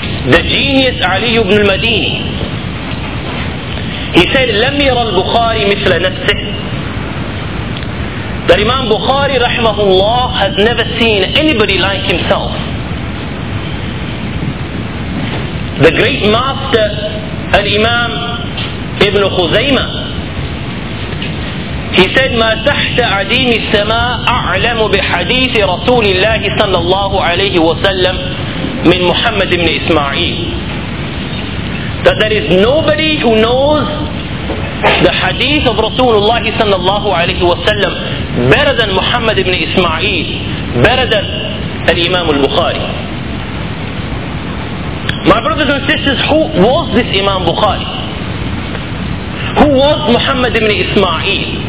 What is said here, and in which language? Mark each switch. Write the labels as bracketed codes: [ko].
[en] The genius Ali ibn al-Madini, he said, [ar] لم ير البخاري مثل نفسه. [en] That Imam Bukhari rahimahullah has never seen anybody like himself. The great master al-Imam ibn Khuzaymah, he said, [ar] ما تحت عديم السماء أعلم بحديث رسول الله صلى الله عليه وسلم من محمد بن إسماعيل. [en] That there is nobody who knows the hadith of Rasulullah صلى الله عليه وسلم better than Muhammad ibn Ismail, better than Imam al-Bukhari. My brothers and sisters, who was this Imam Bukhari? Who was Muhammad ibn Ismail?